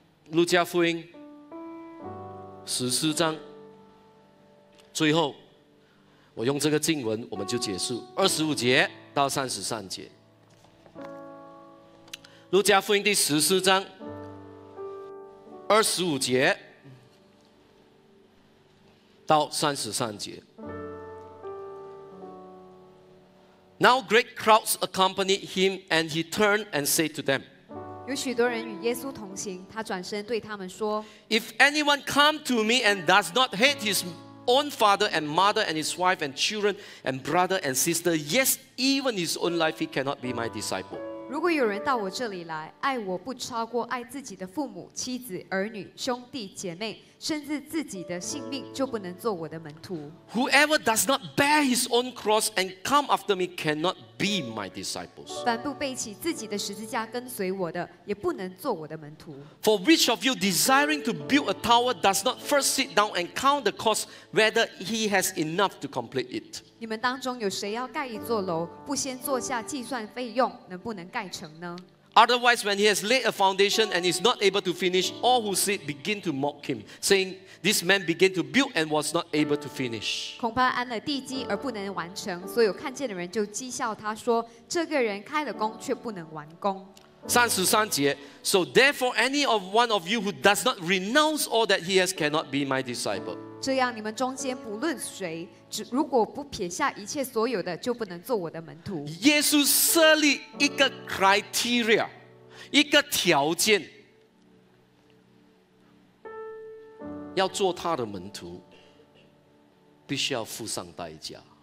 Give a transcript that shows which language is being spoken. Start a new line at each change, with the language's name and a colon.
Chinese: 路加福音十四章最后，我用这个经文我们就结束，二十五节到三十三节。路加福音第十四章二十五节到三十三节。
English: Now great crowds accompanied him, and he turned and said to them，
Chinese: 有许多人与耶稣同行，他转身对他们说，
English: If anyone come to me and does not hate his own father and mother and his wife and children and brother and sister, yes, even his own life, he cannot be my disciple.
Chinese: 如果有人到我这里来，爱我不超过爱自己的父母、妻子、儿女、兄弟、姐妹，甚至自己的性命，就不能做我的门徒。
English: Whoever does not bear his own cross and come after me cannot be my disciples.
Chinese: 凡不背起自己的十字架跟随我的，也不能做我的门徒。
English: For which of you desiring to build a tower does not first sit down and count the cost whether he has enough to complete it?
Chinese: 你们当中有谁要盖一座楼，不先坐下计算费用，能不能盖成呢？
English: Otherwise, when he has laid a foundation and is not able to finish, all who see it begin to mock him, saying, "This man began to build and was not able to finish."
Chinese: 恐怕安了地基而不能完成，所有看见的人就讥笑他说，这个人开了工却不能完工。三十三节，
English: So therefore, any of one of you who does not renounce all that he has cannot be my disciple.
Chinese: 这样，你们中间不论谁，只如果不撇下一切所有的，就不能做我的门徒。耶稣设立一个 criteria， 一个条件，要做他的门徒，必须要付上代价。